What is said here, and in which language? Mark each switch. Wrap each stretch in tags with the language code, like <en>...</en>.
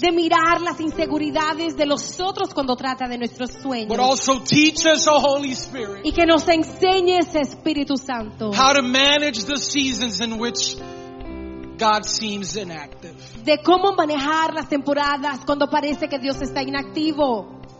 <es>De mirar las inseguridades de los otros cuando trata de nuestros sueños.</es> <en>But also teach us, O Holy Spirit.</en> <es>Y que nos enseñe ese Espíritu Santo.</es> <en>How to manage the seasons in which God seems inactive.</en> <es>De cómo manejar las temporadas cuando parece que Dios está inactivo.</es>